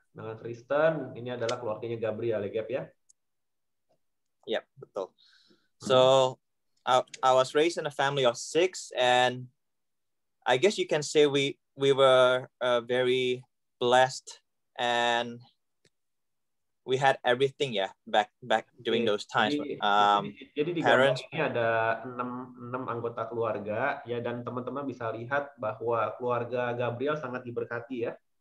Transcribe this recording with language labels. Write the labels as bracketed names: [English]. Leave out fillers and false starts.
[Indonesian] Dengan Kristen, ini adalah keluarganya Gabriel, Gap ya? Iya, yep, betul. [English] So, I was raised in a family of six, and I guess you can say we were very blessed, and we had everything ya, back during those times. [Indonesian] Jadi parents, di gambar ini ada 6 anggota keluarga, ya, dan teman-teman bisa lihat bahwa keluarga Gabriel sangat diberkati ya.